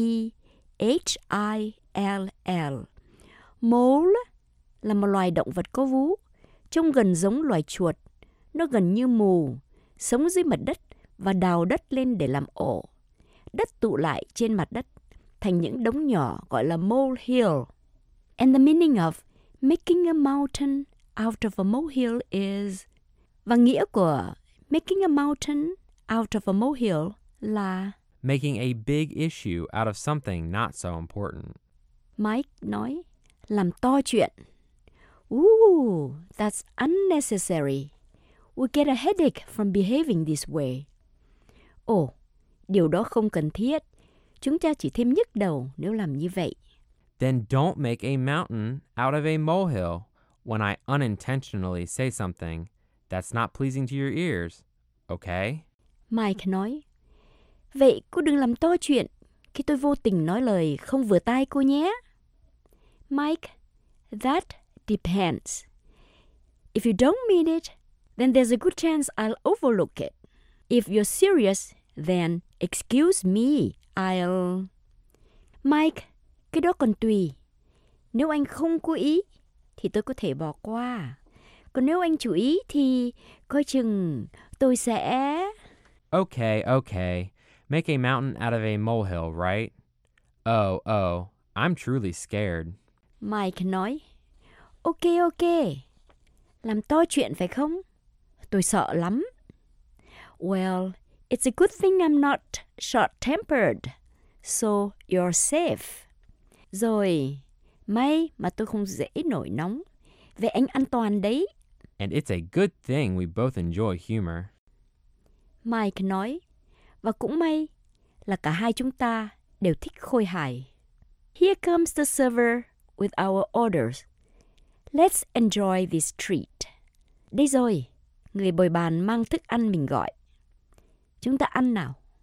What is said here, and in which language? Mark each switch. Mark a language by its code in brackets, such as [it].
[vi] M-O-L-E-H-I-L-L. Mole là một loài động vật có vú, trông gần giống loài chuột. Nó gần như mù, sống dưới mặt đất và đào đất lên để làm ổ. Đất tụ lại trên mặt đất thành những đống nhỏ gọi là molehill. [en] And the meaning of making a mountain out of a molehill is... [vi] Và nghĩa của [en] making a mountain out of a molehill [vi] là... [en] Making a big issue out of something not so important. [vi] Mike nói, làm to chuyện. [en] Ooh, that's unnecessary. We get a headache from behaving this way. [vi] Oh, điều đó không cần thiết. Chúng ta chỉ thêm nhức đầu nếu làm như vậy. [en] Then don't make a mountain out of a molehill when I unintentionally say something that's not pleasing to your ears, okay? [vi] Mike nói, vậy cô đừng làm to chuyện khi tôi vô tình nói lời không vừa tai cô nhé. [en] Mike, that depends. If you don't mean it, then there's a good chance I'll overlook it. If you're serious, then excuse me, I'll... [vi] Mike, cái đó còn tùy. Nếu anh không cố ý, thì tôi có thể bỏ qua. Còn nếu anh chú ý, thì coi chừng tôi sẽ... [en] Okay, okay. Make a mountain out of a molehill, right? Oh, I'm truly scared. [vi] Mike nói, okay, okay. Làm to chuyện phải không? Tôi sợ lắm. [en] Well, it's a good thing I'm not short-tempered, so you're safe. [vi] Rồi, may mà tôi không dễ nổi nóng. Vậy anh an toàn đấy. [en] And it's a good thing we both enjoy humor. [vi] Mike nói, và cũng may là cả hai chúng ta đều thích khôi hài. [en] Here comes the server with our orders. Let's enjoy this treat. [vi] Đây rồi, người bồi bàn mang thức ăn mình gọi. Chúng ta ăn nào.